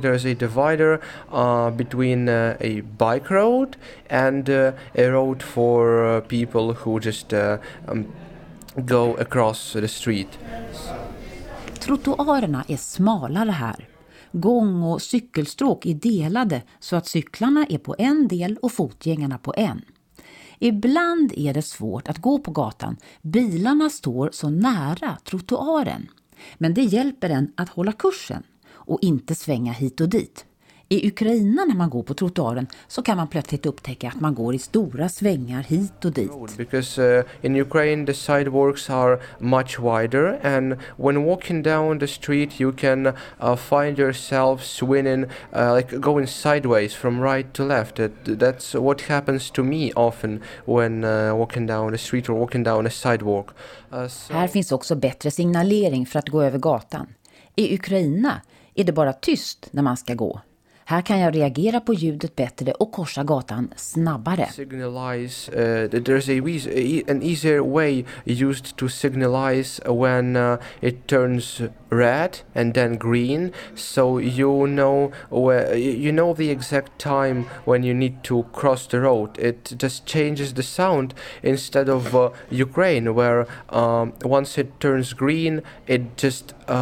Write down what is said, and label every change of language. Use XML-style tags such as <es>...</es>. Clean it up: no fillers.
<en>There is a divider between a bike road and a road for people who just go across the street.</en> <sv>Trottoarerna är smalare här. Gång- och cykelstråk är delade så att cyklarna är på en del och fotgängarna på en. Ibland är det svårt att gå på gatan. Bilarna står så nära trottoaren. Men det hjälper en att hålla kursen och inte svänga hit och dit. I Ukraina när man går på trottoaren så kan man plötsligt upptäcka att man går i stora svängar hit och dit.</sv> <en>Because in Ukraine the sidewalks are much wider and when walking down the street you can find yourself swinging like going sideways from right to left. That's what happens to me often when walking down the street or walking down a sidewalk.</en> <sv>Här finns också bättre signalering för att gå över gatan. I Ukraina är det bara tyst när man ska gå. Här kan jag reagera på ljudet bättre och korsa gatan snabbare.</sv> <en>Signalize there's an easier way used to signalize when it turns red and then green, so you know where, you know the exact time when you need to cross the road. It just changes the sound instead of Ukraine where once it turns green it just</en>